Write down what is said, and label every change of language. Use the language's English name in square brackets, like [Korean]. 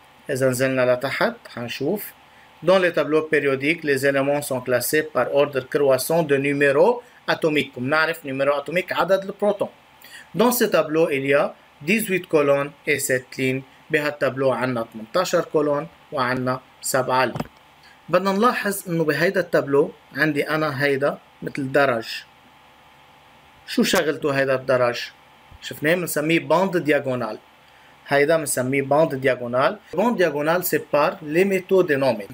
[Arabic] إذا نزلنا لتحت حنشوف [French] dans les tableaux périodiques, les éléments sont classés par ordre croissant de numéro atomique. [Arabic] نعرف numéro atomique عدد البروتون. [French] dans ce tableau, il y a 18 colonnes et 7 lignes. [Arabic] بهالتابلو عنا 18 كولون وعنا 7 لين. بدنا نلاحظ انه بهيدا التابلو عندي انا هيدا مثل درج. شو شغلته هيدا الدرج؟ شفناه بنسميه باند دياغونال. هيدا بنسميه باند دياغونال. باند دياغونال سيبار لي ميتو دي نومي.